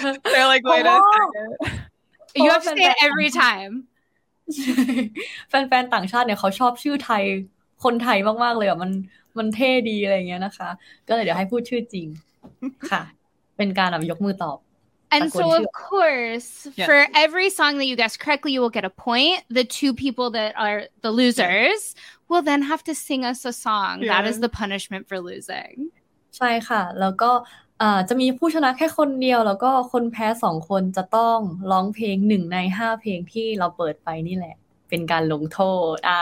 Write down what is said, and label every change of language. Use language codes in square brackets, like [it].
[en] They're like wait a second You have to say it every time [th] แฟนๆต่างชาติเนี่ยเขาชอบชื่อไทยคนไทยมากๆเลยอะมันเท่ดีอะไรเงี้ยนะคะก็เลยเดี๋ยวให้พูดชื่อจริง [en] And so, of course, for every song that you guess correctly, you will get a point. The two people that are the losers will then have to sing us a song. Yeah. That is the punishment for losing. [th] ใช่ค่ะแล้วก็จะมีผู้ชนะแค่คนเดียวแล้วก็คนแพ้สองคนจะต้องร้องเพลงหนึ่งในห้าเพลงที่เราเปิดไปนี่แหละเป็นการลงโทษ